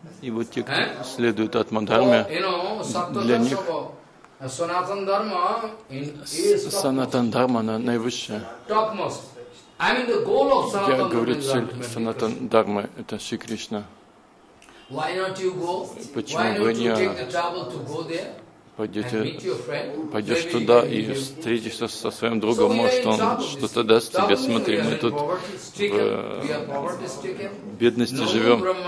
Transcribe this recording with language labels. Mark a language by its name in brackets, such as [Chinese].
[Russian] И вот те, кто следует атмадхарме, для них санатандхарма, санатандхарма наивысшая. [English] Topmost. I mean the goal of санатандхарма. [Russian] Я говорю, цель санатандхармы – это Шри Кришна. [English] Why not you go? [Russian] Почему [English] Why don't you take the trouble to go there? [Russian] Пойдете, [English] and meet your friend? [Russian] Пойдешь туда и встретишься со своим другом, so может, он что-то даст тебе. Смотри, мы тут в бедности живем.